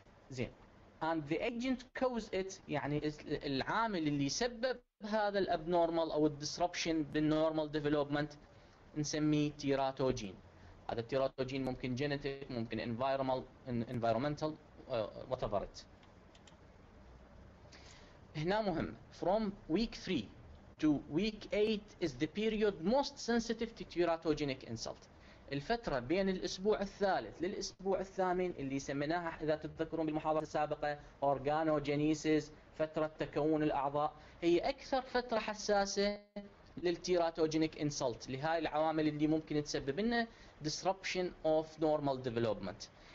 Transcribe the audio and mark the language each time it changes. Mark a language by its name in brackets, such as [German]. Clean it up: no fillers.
[Arabic] زين، [English] and the agent cause it، [Arabic] يعني العامل اللي سبب هذا الابنورمال او الديسربشن بالنورمال ديفلوبمنت نسميه تيراتو جين. هذا التيراتو جين ممكن جينيتيك، ممكن انفايرمنتال، [English] Whatever it. [Arabic] هنا مهم، [English] from week 3 to week 8 is the period most sensitive to teratogenic insult. [Arabic] الفترة بين الأسبوع الثالث للأسبوع الثامن اللي سميناها إذا تتذكرون بالمحاضرة السابقة organogenesis، فترة تكون الأعضاء، هي أكثر فترة حساسة للteratogenic insult، لهذه العوامل اللي ممكن تسبب لنا [English] disruption of normal development.